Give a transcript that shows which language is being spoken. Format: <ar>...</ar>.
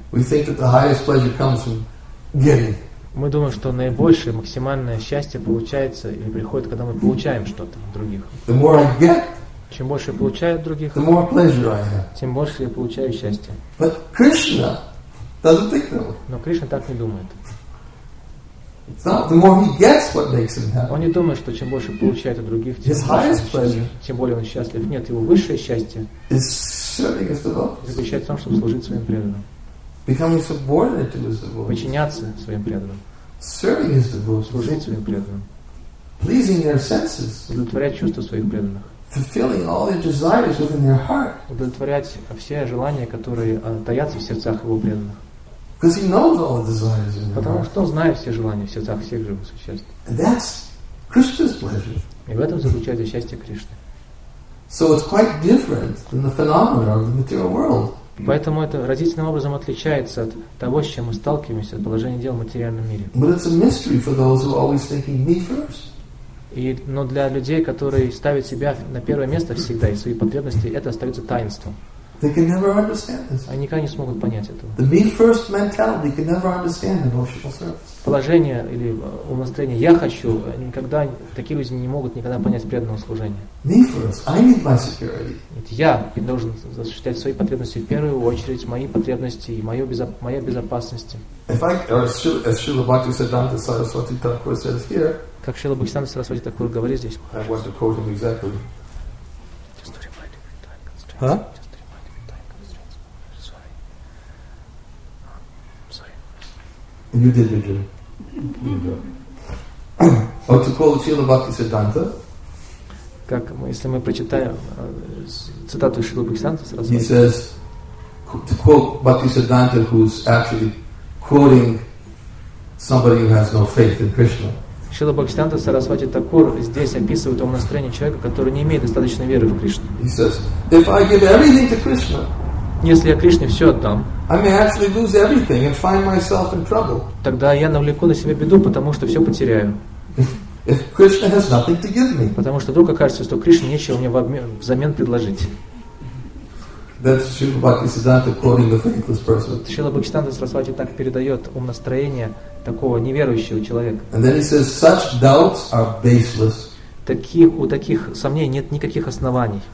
<en>We think that the highest pleasure comes from getting.</en> <ru>Мы думаем, что наибольшее, максимальное счастье получается или приходит, когда мы получаем что-то от других.</ru> <en>The more I get,</en> <ru>чем больше я получаю от других,</ru> <en>the more pleasure I have.</en> <ru>Тем больше я получаю счастье.</ru> <en>But Krishna doesn't think that way.</en> <ru>Но Кришна так не думает.</ru> <en>It's not the more he gets what makes him happy.</en> <ru>Он не думает, что чем больше получает от других, тем</ru> <en>his highest pleasure,</en> <ru>тем более он счастлив. Нет, его высшее счастье</ru> <en>is serving his devotees.</en> <ru>Заключается в том, чтобы служить своим преданным.</ru> <en>Becoming subordinate to his devotees.</en> <ru>Подчиняться своим преданным.</ru> <en>Serving his devotees.</en> <ru>Служить своим преданным.</ru> <en>Pleasing their senses.</en> <ru>Удовлетворять чувства своих преданных.</ru> <en>Fulfilling all their desires within their heart.</en> <ru>Удовлетворять все желания, которые таятся в сердцах его преданных.</ru> <en>Because he knows all the desires in their heart.</en> <ru>Потому что он знает все желания в сердцах всех живых существ.</ru> <en>And that's Krishna's pleasure.</en> <ru>И в этом заключается счастье Кришны.</ru> <en>So it's quite different than the phenomena of the material world.</en> <ru>Поэтому это разительным образом отличается от того, с чем мы сталкиваемся, от положения дел в материальном мире.</ru> <en>But it's a mystery for those who are always thinking me first.</en> <ru>Но для людей, которые ставят себя на первое место всегда и свои потребности, это остается таинством.</ru> <en>They can never understand this.</en> <ru>Они никогда не смогут понять этого.</ru> <en>The me first mentality can never understand devotional service.</en> <ru>Положение или умозрение «я хочу» никогда, такие люди не могут никогда понять преданного служения.</ru> <en>Me first, I need my security.</en> <ru>Ведь я должен осуществлять свои потребности в первую очередь, мои потребности и моя безопасность.</ru> <en>If I, or as Srila Bhaktisiddhanta Saraswati Thakur says here,</en> <ru>как Шрила Бхактисиддханта Сарасвати Такур говорит здесь.</ru> <en>I want to quote him exactly. Just remind him time constraints. Huh? You did it. Or to call Srila Bhaktisiddhanta.</en> <ru>Как мы, если мы прочитаем цитату Шрилы Бхактисиддханты сразу.</ru> <en>He says to quote Bhaktisiddhanta, who's actually quoting somebody who has no faith in Krishna.</en> <ru>Шрила Бхактисиддханта Сарасвати Такур здесь описывает ум настроение человека, который не имеет достаточной веры в Кришну.</ru> <en>He says, if I give everything to Krishna.</en> <ru>Если я Кришне все отдам,</ru> <en>I may actually lose everything and find myself in trouble.</en> <ru>Тогда я навлеку на себя беду, потому что все потеряю.</ru> <en>If Krishna has nothing to give me.</en> <ru>Потому что вдруг окажется, что Кришне нечего мне взамен предложить.</ru> <en>That's Srila Bhaktisiddhanta quoting the faithless person.</en> <ru>Шрила Бхактисиддханта Сарасвати так передает ум настроение такого неверующего человека.</ru> <en>And then he says, such doubts are baseless.</en> <ru>У таких сомнений нет никаких оснований.</ru>